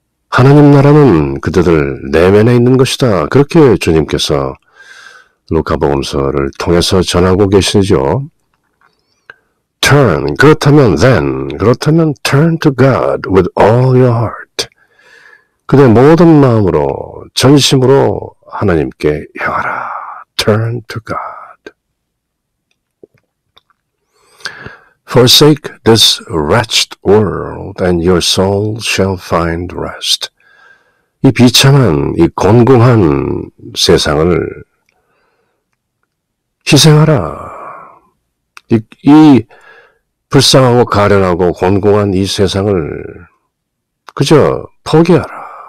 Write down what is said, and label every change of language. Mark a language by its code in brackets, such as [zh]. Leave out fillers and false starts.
[ko] 하나님 나라는 그대들 내면에 있는 것이다. 그렇게 주님께서 루카복음서를 통해서 전하고 계시죠. [en] Turn, [ko] 그렇다면 [en] then, 그렇다면 turn to God with all your heart. [ko] 그대 모든 마음으로, 전심으로 하나님께 향하라. [en] Turn to God. Forsake this wretched world and your soul shall find rest. [ko] 이 비참한, 이 곤궁한 세상을 희생하라. 이 불쌍하고 가련하고 곤궁한 이 세상을 그저 포기하라.